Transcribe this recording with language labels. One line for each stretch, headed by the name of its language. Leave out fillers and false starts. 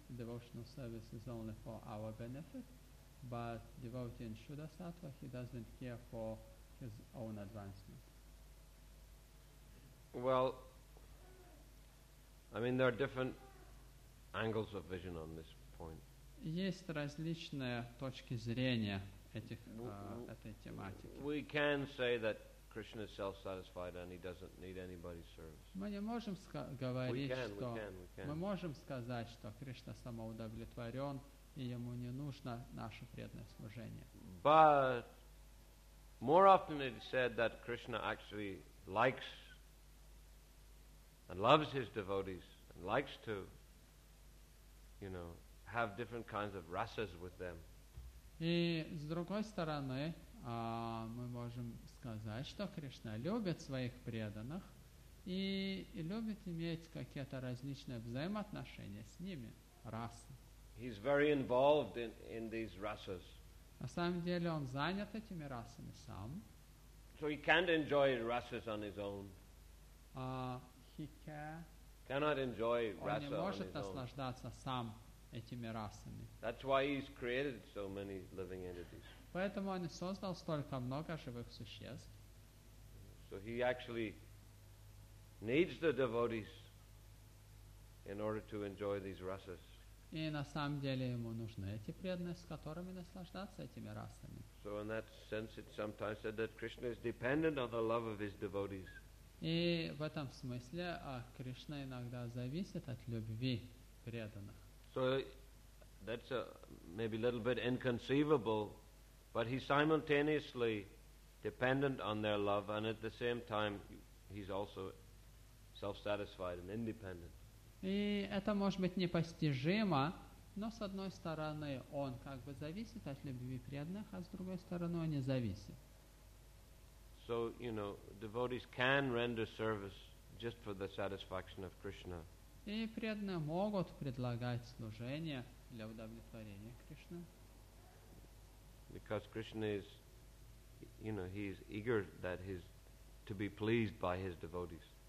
English: Devotional service is only for our benefit. But devotee in Shuddha Sattva, he doesn't care for his own advancement. Well, I mean, there are different angles of vision on this point.
Russian: Есть различные точки зрения этой тематики.
English: We can say that Krishna is self-satisfied and he doesn't need anybody's service.
Russian: Мы не можем говорить, что мы можем сказать, что Кришна самоудовлетворен и ему не нужно наше преданное служение.
English: But more often it is said that Krishna actually likes and loves his devotees and likes to, you know, have different kinds of rasas with them.
Russian: И с другой стороны, мы можем сказать, что Кришна любит своих преданных и любит иметь какие-то различные взаимоотношения с ними, расы.
English: He's very involved in these rasas.
Russian: На самом деле он занят этими расами сам.
English: So he can't enjoy rasas on his own. Cannot enjoy rasa on his own.
Russian: Он не может наслаждаться сам этими расами.
English: That's why he's created so many living entities.
Russian: Поэтому он создал столько много живых существ.
English: So he actually needs the devotees in order to enjoy these rasas.
Russian: И на самом деле ему нужны эти преданные, с которыми наслаждаться этими расами.
English: So in that sense, it's sometimes said that Krishna is dependent on the love of his devotees.
Russian: И в этом смысле Кришна иногда зависит от любви преданных.
English: So that's maybe a little bit inconceivable, but he's simultaneously dependent on their love, and at the same time, he's also self-satisfied and independent.
Russian: И это может быть непостижимо, но с одной стороны он как бы зависит от любви преданных, а с другой стороны он не зависит.
English: So, you know, devotees can render service just for the satisfaction of Krishna.
Russian: И преданные могут предлагать служение для удовлетворения Кришны.
English: Because Krishna is, you know, he is eager that his to be pleased by his devotees.